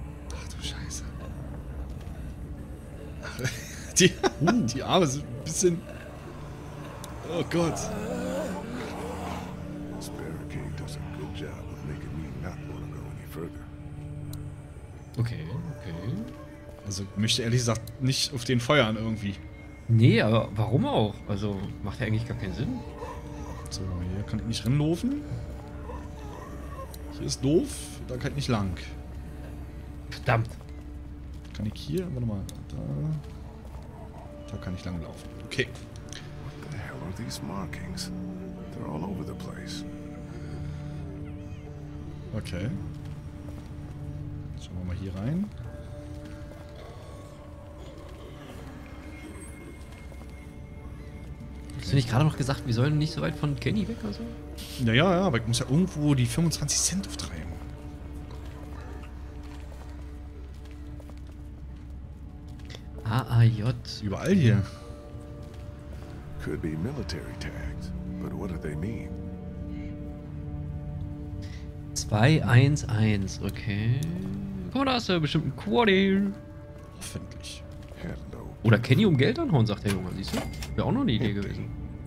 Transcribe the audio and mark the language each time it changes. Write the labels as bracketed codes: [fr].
[de] Ach du Scheiße. Die Arme sind ein bisschen... Oh Gott. [en] This barricade does a good job of making me not want to go any further. Okay, okay. [de] Also möchte ehrlich gesagt nicht auf den feuern irgendwie. Nee, aber warum auch? Also, macht ja eigentlich gar keinen Sinn. So, hier kann ich nicht rinlaufen. Hier ist doof, da kann ich nicht lang. Verdammt. Kann ich hier? Warte mal. Da. Da kann ich lang laufen. Okay. [en] What the hell are these markings? They're all over the place. [de] Okay. Schauen wir mal hier rein. Hast du nicht gerade noch gesagt, wir sollen nicht so weit von Kenny weg oder so? Ja, aber ich muss ja irgendwo die 25 Cent auftreiben. AAJ. Überall hier. [en] Could be military tags, but what do they mean? 211, okay. [de] Guck mal, da hast du ja bestimmt einen Quartier. Hoffentlich. [en] Hello. [de] Oder Kenny um Geld anhauen, sagt der Junge, siehst du? Wäre auch noch eine Idee gewesen.